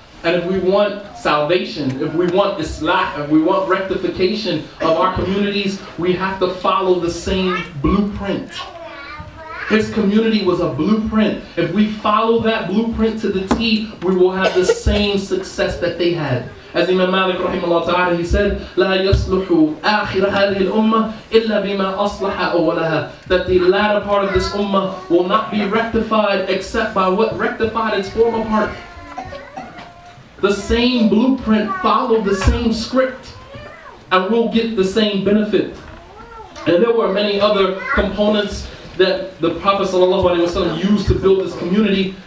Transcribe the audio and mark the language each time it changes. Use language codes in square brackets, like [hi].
[en] And if we want salvation, if we want islah, if we want rectification of our communities, we have to follow the same blueprint. His community was a blueprint. If we follow that blueprint to the T, we will have the same success that they had. As Imam Malik rahimahullah ta'ala, he said, [ar] لا يصلح آخر هذه الأمة إلا بما أصلح أولها. [en] That the latter part of this ummah will not be rectified except by what rectified its former part. The same blueprint, follow the same script, and we'll get the same benefit. And there were many other components that the Prophet ﷺ used to build this community.